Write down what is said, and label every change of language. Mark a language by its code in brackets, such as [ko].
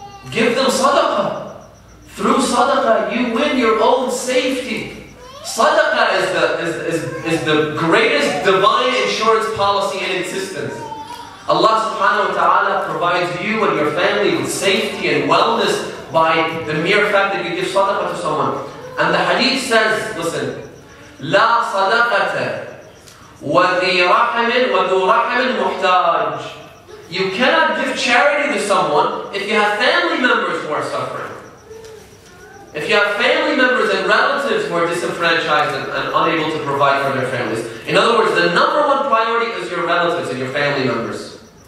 [en] Give them sadaqah. Through sadaqah, you win your own safety. Sadaqah is the greatest divine insurance policy in existence. Allah subhanahu wa ta'ala provides you and your family with safety and wellness by the mere fact that you give sadaqah to someone. And the hadith says, listen, [ar] لا صدقة وذي رحم وذو رحم محتاج. [en] You cannot give charity to someone if you have family members who are suffering. If you have family members and relatives who are disenfranchised and unable to provide for their families. In other words, the number one priority is your relatives and your family members.